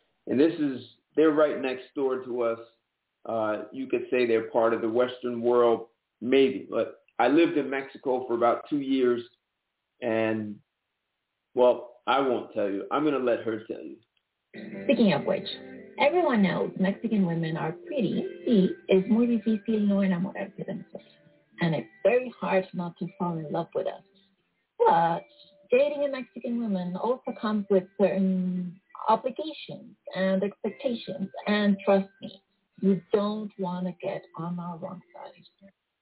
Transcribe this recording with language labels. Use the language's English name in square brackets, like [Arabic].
[English] And this is, they're right next door to us. You could say they're part of the Western world, maybe. But I lived in Mexico for about 2 years. And, well, I won't tell you. I'm going to let her tell you. Speaking of which, everyone knows Mexican women are pretty. [Spanish] Y es muy difícil no enamorarse de nosotros. [English] And it's very hard not to fall in love with us. But dating a Mexican woman also comes with certain obligations and expectations. And trust me, you don't want to get on our wrong side.